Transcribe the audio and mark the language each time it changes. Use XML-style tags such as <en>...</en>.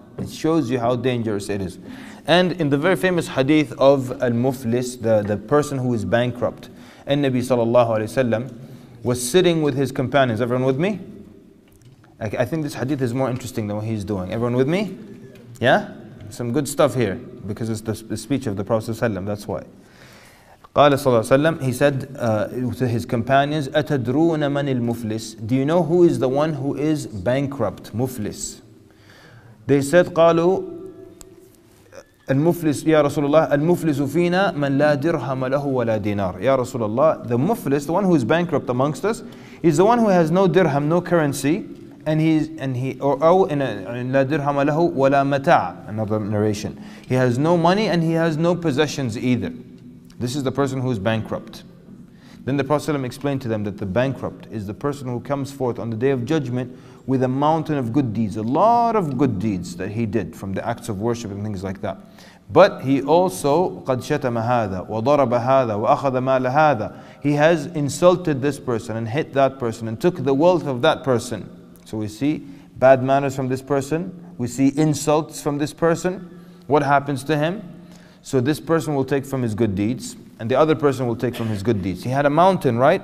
<en>It shows you how dangerous it is. And in the very famous hadith of al-muflis, the person who is bankrupt, An-Nabi sallallahu alayhi wa sallam was sitting with his companions. Everyone with me? I think this hadith is more interesting than what he's doing. Everyone with me? Yeah? Some good stuff here, because it's the speech of the Prophet sallallahu alayhi wa sallam, that's why.</en> <ar>قَالَ صَلَّى اللَّهُ عَلَيْهِ وَسَلَّمَ.</ar> <en>He said to his companions,</en> <ar>أَتَدْرُونَ مَنِ الْمُفْلِسِ.</ar> <en>Do you know who is the one who is bankrupt, muflis? They said,</en> <ar>قَالُوا الْمُفْلِسُ يَا رَسُولَ اللَّهِ الْمُفْلِسُ فِينَا مَنْ لَا دِرْهَمَ لَهُ وَلَا دِينَارٍ. يَا رَسُولَ اللَّهِ,</ar> <en>the muflis, the one who is bankrupt amongst us, is the one who has no dirham, no currency, and he</en> <ar>لَا دِرْهَمَ لَهُ وَلَا مَتَاعٍ.</ar> <en>Another narration. He has no money and he has no possessions either. This is the person who is bankrupt. Then the Prophet ﷺ explained to them that the bankrupt is the person who comes forth on the Day of Judgment with a mountain of good deeds, a lot of good deeds that he did from the acts of worship and things like that. But he also,</en> <ar>قَدْ شَتَمَ هَذَا وَضَرَبَ هَذَا وَأَخَذَ مَالَ هَذَا.</ar> <en>He has insulted this person and hit that person and took the wealth of that person. So we see bad manners from this person. We see insults from this person. What happens to him? So this person will take from his good deeds, and the other person will take from his good deeds. He had a mountain, right?</en>